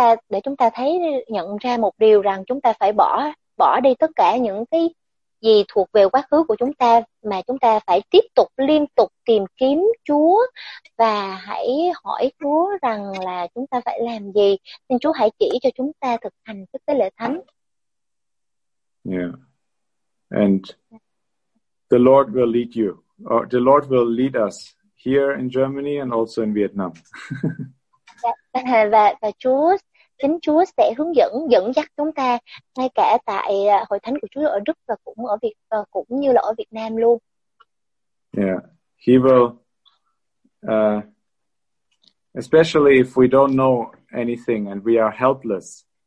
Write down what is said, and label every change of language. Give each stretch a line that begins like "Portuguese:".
Vietnamese: Để chúng ta thấy nhận ra một điều rằng chúng ta phải bỏ đi tất cả những cái gì thuộc về quá khứ của chúng ta, mà chúng ta phải tiếp tục liên tục tìm kiếm Chúa và hãy hỏi Chúa rằng là chúng ta phải làm gì. Xin Chúa hãy chỉ cho chúng ta thực hành cái tế lễ thánh.
English: Yeah, and the Lord will lead you, or the Lord will lead us here in Germany and also in Vietnam.
Vietnamese: và Chúa, chính Chúa sẽ hướng dẫn, dẫn dắt chúng ta ngay cả tại hội thánh của Chúa ở Đức và cũng ở Việt, cũng như là ở Việt Nam luôn.
English: Yeah, He will, especially if we don't know anything and we are helpless.